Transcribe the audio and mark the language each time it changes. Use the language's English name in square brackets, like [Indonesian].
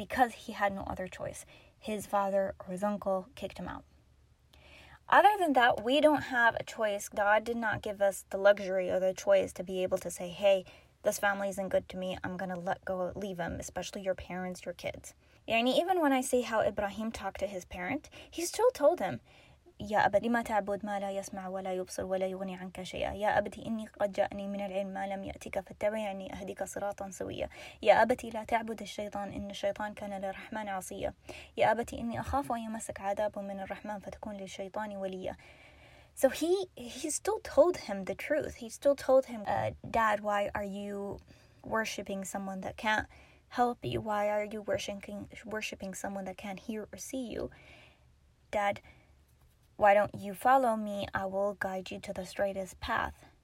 [English] It was because he had no other choice. His father or his uncle kicked him out. Other than that, we don't have a choice. God did not give us the luxury or the choice to be able to say, hey, this family isn't good to me, I'm going to let go, leave them, especially your parents, your kids. And even when I see how Ibrahim talked to his parent, he still told him, [Arabic] يا أبتي ما تعبد ما لا يسمع ولا يبصر ولا يغني عنك شيئا يا أبتي إني قد جاءني من العلم ما لم يأتك فاتبعني أهدك صراطا سويا يا أبتي لا تعبد الشيطان إن الشيطان كان للرحمن عصيا يا أبتي إني أخاف أن يمسك عذاب من الرحمن فتكون للشيطان وليا. [English] So he still told him the truth. He still told him, Dad, why are you worshipping someone that can't help you? Why are you worshipping someone that can't hear or see you? Dad, why don't you follow me? I will guide you to the straightest path.